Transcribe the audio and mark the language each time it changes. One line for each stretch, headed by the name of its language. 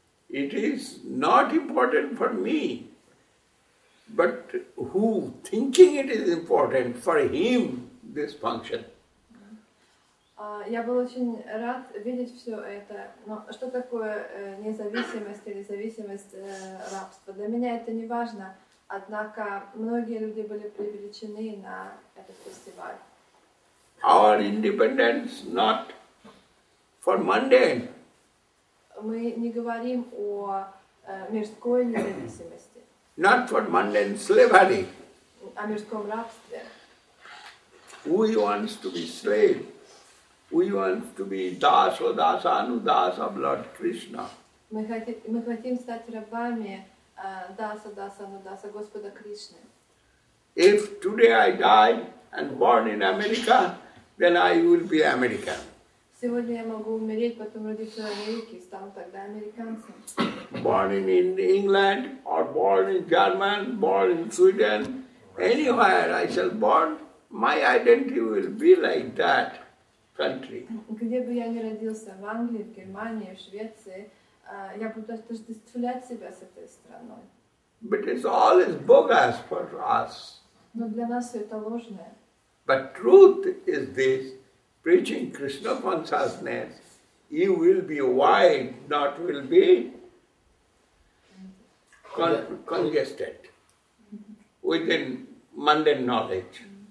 English: It is not important for me, but who thinking it is important for him, this function?
Russian: Я был очень рад видеть все это. Но что такое независимость или зависимость рабства? Для меня это не важно. Однако многие люди были привлечены на этот фестиваль.
English: Our independence not for mundane.
Russian: Мы не говорим о мирской независимости.
English: Not for mundane slavery.
Russian: О мирском рабстве.
English: We want to be slave. We want to be dasa, dasa, anudasa of Lord Krishna.
Russian: Мы хотим стать рабами, даса, даса, анудаса Господа Кришны.
English: If today I die and born in America, then I will be American.
Russian: Сегодня я могу умереть, потом родиться в Америке, стал тогда американцем.
English: Born in England, or born in Germany, born in Sweden, anywhere I shall born, my identity will be like that country.
Russian: Где бы я ни родился, в Англии, в Германии, в Швеции, я буду отождествлять себя с этой страной.
English: But it's all is bogus for us.
Russian: Но для нас все это ложное.
English: But truth is this. Preaching Krishna consciousness, you will be white, not will be congested within mundane knowledge.